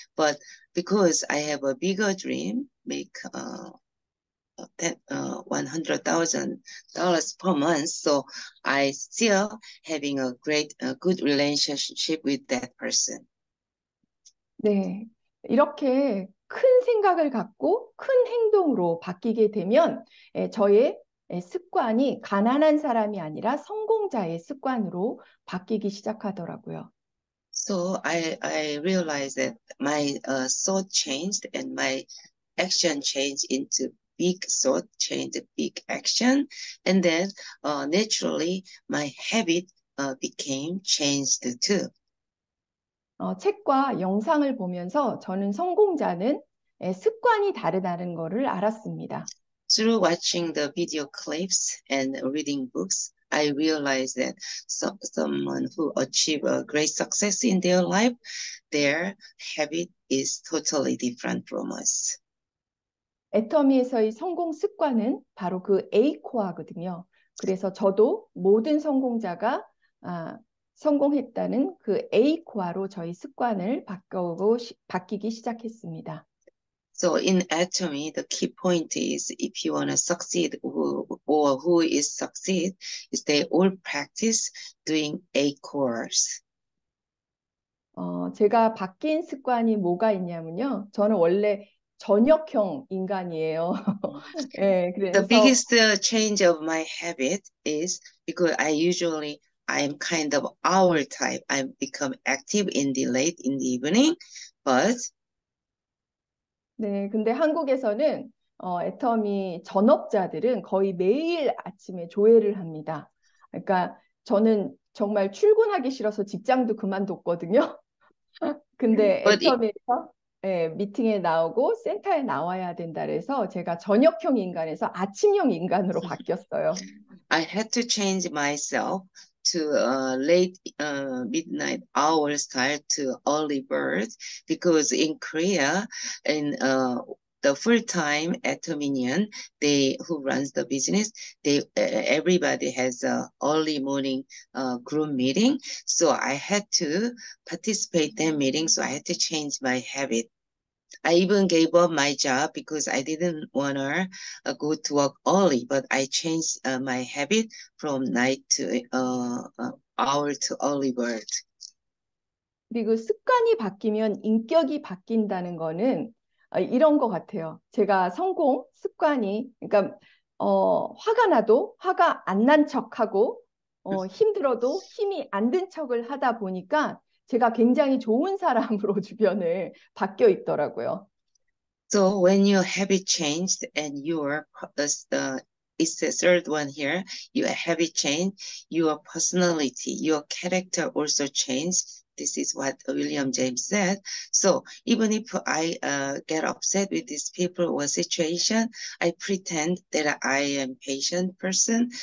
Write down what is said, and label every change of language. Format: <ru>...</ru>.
<en>But because I have a bigger dream, make $100,000 per month, so I still having a great, good relationship with that person.</en> <ko>네, 이렇게 큰 생각을 갖고 큰 행동으로 바뀌게 되면 저의 습관이 가난한 사람이 아니라 성공자의 습관으로 바뀌기 시작하더라고요.</ko> <en>So I realized that my thought changed and my action changed into big thought, changed big action, and then naturally my habit became changed too.</en> <ko>책과 영상을 보면서 저는 성공자는 습관이 다르다는 것을 알았습니다.</ko> <en>Through watching the video clips and reading books, I realized that someone who achieve a great success in their life, their habit is totally different from us.</en> <ko>애터미에서의 성공 습관은 바로 그 에이코아거든요. 그래서 저도 모든 성공자가 성공했다는 그 에이코아로 저희 습관을 바뀌기 시작했습니다.</ko> <en>So in alchemy, the key point is if you want to succeed or who is succeed, is they all practice doing a course.</en> <ko>제가 바뀐 습관이 뭐가 있냐면요. 저는 원래 저녁형 인간이에요. 예, 네,</ko> <en>The</en> <ko>그래서</ko> <en>biggest change of my habit is because I'm kind of owl type. I become active in the late in the evening, but</en> <ko>네, 근데 한국에서는 애터미 전업자들은 거의 매일 아침에 조회를 합니다. 그러니까 저는 정말 출근하기 싫어서 직장도 그만뒀거든요. 근데</ko> <en>But it</en> <ko>애터미에서 예, 미팅에 나오고 센터에 나와야 된다 그래서 제가 저녁형 인간에서 아침형 인간으로 바뀌었어요.</ko> <en>I had to change myself to a late midnight owl style to early bird because in Korea, in the full-time Atominian, they who runs the business, they everybody has a early morning group meeting. So I had to participate that meeting. So I had to change my habit. I even gave up my job because I didn't want to go to work early, but I changed my habit from night to hour to early bird.</en> <ko>그리고 습관이 바뀌면 인격이 바뀐다는 거는 이런 것 같아요. 제가 성공, 습관이, 그러니까, 화가 나도 화가 안난 척하고, 힘들어도 힘이 안든 척을 하다 보니까 제가 굉장히 좋은 사람으로 주변을 바뀌어 있더라고요.</ko> <en>So when your habit changed and your it's the third one here, your habit changed, your personality, your character also changed. This is what William James said. So even if I get upset with these people or situation, I pretend that I am patient person.</en>